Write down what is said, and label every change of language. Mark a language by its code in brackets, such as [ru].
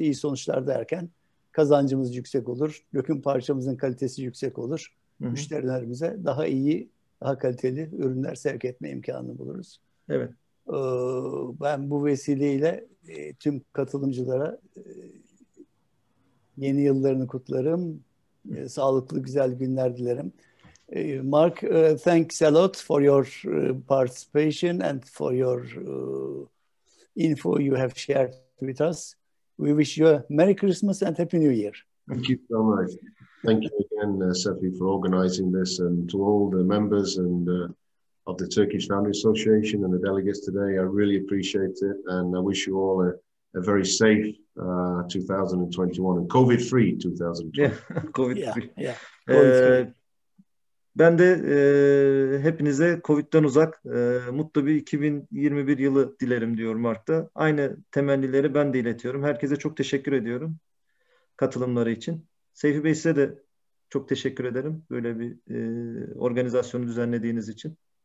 [tr] İyi sonuçlar derken kazancımız yüksek olur. Döküm parçamızın kalitesi yüksek olur. Hı-hı. Müşterilerimize daha iyi, daha kaliteli ürünler sevk etme imkanını buluruz. Evet. Ben bu vesileyle tüm katılımcılara yeni yıllarını kutlarım. Sağlıklı, güzel günler dilerim. [en] Mark, thanks a lot for your participation and for your info you have shared with us. We wish you a Merry Christmas and Happy New Year. Thank you so much. Thank you again, Sefi, for organizing this, and to all the members and of the Turkish Foundry Association and the delegates today. I really appreciate it, and I wish you all a very safe 2021 and COVID-free 2021. COVID-free. [tr] Ben de hepinize COVID'den uzak, mutlu bir 2021 yılı dilerim diyorum Mark'ta. Aynı temennileri ben de iletiyorum. Herkese çok teşekkür ediyorum katılımları için. Seyfi Bey, size de Çok teşekkür ederim böyle bir organizasyonu düzenlediğiniz için.